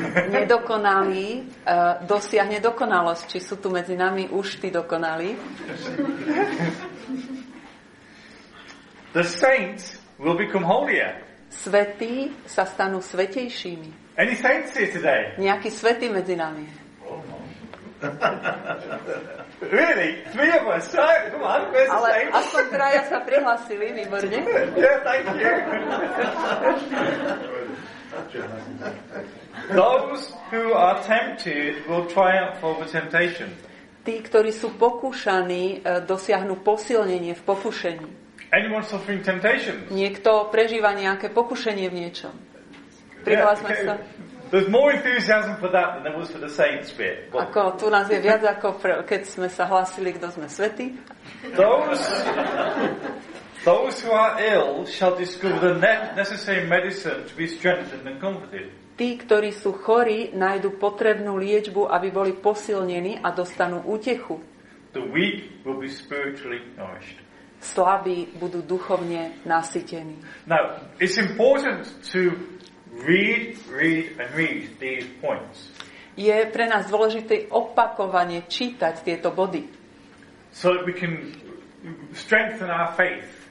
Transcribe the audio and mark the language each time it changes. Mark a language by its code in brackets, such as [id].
[sk] Nedokonalý dosiahne dokonalosť. Či sú tu medzi nami už tí dokonalí? [en] The saints will become holier. [sk] Svätí sa stanú svätejšími. [en] Any saints here today? [sk] Nejaký svätý medzi nami? [en] Oh. Really? Three of us. So, come on, where's the saints? [sk] Ale aspoň traja sa prihlasili, výborne. [en] Yeah, thank you. Those who are tempted will triumph over temptation. [sk] Tí, ktorí sú pokúšaní, dosiahnu posilnenie v pokušení. [en] Anyone suffering temptations? [sk] Niekto prežíva nejaké pokušenie v niečom. Prihlásme [en] yeah, okay. [sk] sa. [en] There's more enthusiasm for that than there was for the saints bit. But... [sk] Ako, tu nás je viac ako keď sme sa hlásili, kto sme svätí. [en] Those who are ill shall discover the necessary medicine to be strengthened and comforted. [sk] Tí, ktorí sú chorí, nájdu potrebnú liečbu, aby boli posilnení a dostanú útechu. [en] The weak will be spiritually nourished. [sk] Slabí budú duchovne nasytení. [en] Now, it's important to read and read these points. [sk] Je pre nás dôležité opakovane čítať tieto body. [en] So that we can strengthen our faith.